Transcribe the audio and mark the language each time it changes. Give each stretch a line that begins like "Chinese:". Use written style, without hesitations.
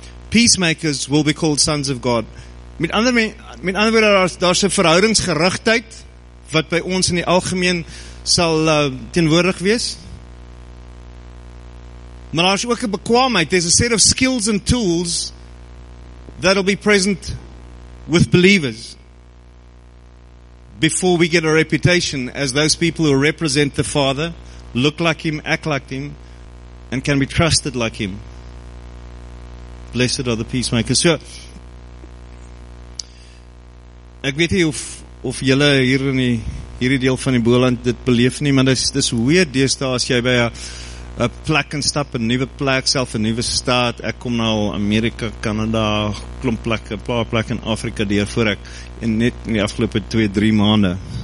English: Peacemakers will be called sons of God.
Afrikaans: Met ander woorde, daar's 'n verhoudingsgerigtheid wat by ons in die algemeen sal teenwoordig wees. Maar daar's ook 'n bekwaamheid.
English: There's a set of skills and tools that'll be present with believers before we get a reputation as those people who represent the Father, look like Him, act like Him, and can be trusted like Him. Blessed are the peacemakers.
Afrikaans: So, ek weet nie of julle hier in die hierdie deel van die Boland dit beleef nie, maar dis weird deesdae as jy by 'n plek kan stap, 'n nuwe plek, self 'n nuwe staat. Ek kom nou Amerika, Kanada, klomp plekke, 'n paar plekke in Afrika deur voor ek en net in die afgelope 2-3 maande.